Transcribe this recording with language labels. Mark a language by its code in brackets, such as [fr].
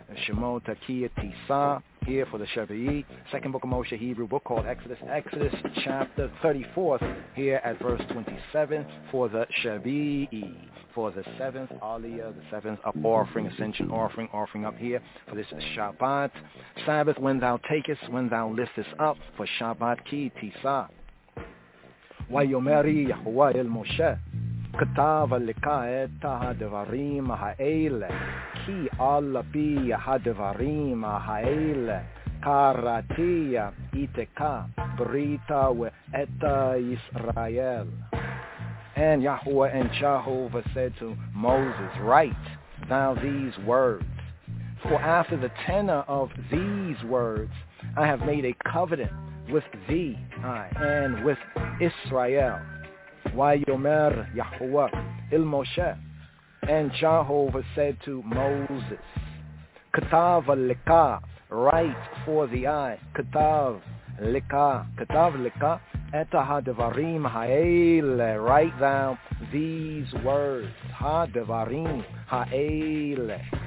[en] Shemot Ki Tisah, here for the Shavi'i, second book of Moshe, Hebrew book called Exodus, Exodus chapter 34, here at verse 27, for the Shavi'i, for the seventh Aliyah, the seventh offering, ascension offering up here, for this Shabbat, Sabbath, when thou takest, when thou liftest up, for Shabbat Ki Tisah. [he] Vayomeri Yahuwah el Moshe, כתב לך את הדברים האלה כי על פי הדברים האלה קראתי איתך ברית ואת ישראל. [en] And Yahuwah and Jehovah said to Moses, write thou these words, for after the tenor of these words I have made a covenant with thee and with Israel. [he] Vayomer Yahuwah el Moshe, [en] and Jehovah said to Moses, [he] Ketav Lika, [en] write for the eye, [he] Ketav Lika, et ha-devarim ha-ele, [en] write thou these words, [he] ha-devarim ha-ele,